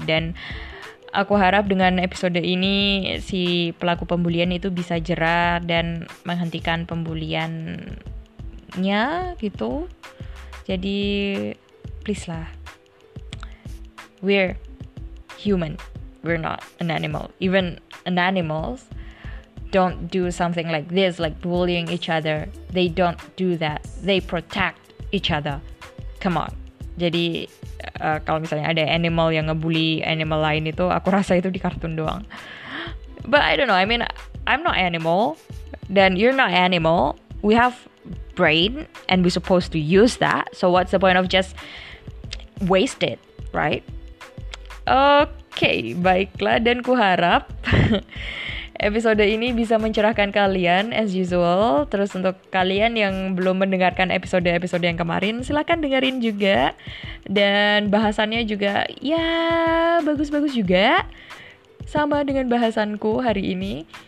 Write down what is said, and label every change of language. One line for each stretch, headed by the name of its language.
Indonesian: Dan aku harap dengan episode ini si pelaku pembulian itu bisa jera dan menghentikan pembuliannya gitu.
English: Jadi please lah, we're human, we're not an animal. Even an animals don't do something like this, like bullying each other. They don't do that. They protect each other. Come on.
Indonesian: Jadi kalau misalnya ada animal yang ngebully animal lain, itu aku rasa itu di kartun doang.
English: But I don't know, I mean, I'm not animal, then you're not animal. We have brain and we're supposed to use that. So what's the point of just waste it, right?
Indonesian: Okay, baiklah, dan kuharap episode ini bisa mencerahkan kalian
English: as usual.
Indonesian: Terus untuk kalian yang belum mendengarkan episode-episode yang kemarin, silakan dengerin juga. Dan bahasannya juga ya bagus-bagus juga, sama dengan bahasanku hari ini.